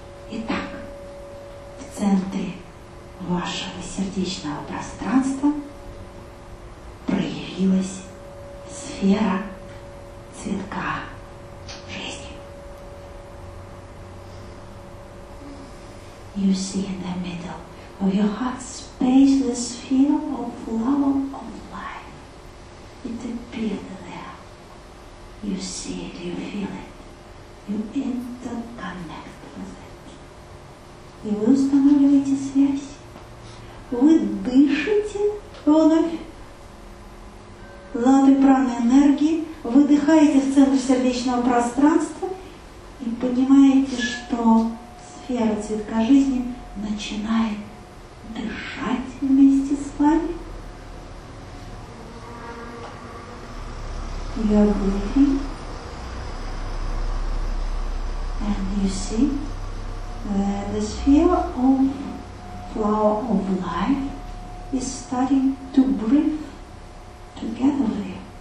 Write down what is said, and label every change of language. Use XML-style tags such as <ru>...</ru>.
<ru>Итак, в центре вашего сердечного пространства проявилась сфера цветка жизни.</ru> <en>You see in the middle of your heart space the sphere of love of life. It appeared there. You see it, you feel it. You interconnect with it.</en> <ru>И вы устанавливаете связь. Вы дышите вновь лады праны энергии, выдыхаете в центр сердечного пространства и понимаете, что сфера цветка жизни начинает дышать вместе с вами.</ru> <en>You are breathing and you see the sphere of flower of life is starting to breathe together with you.</en>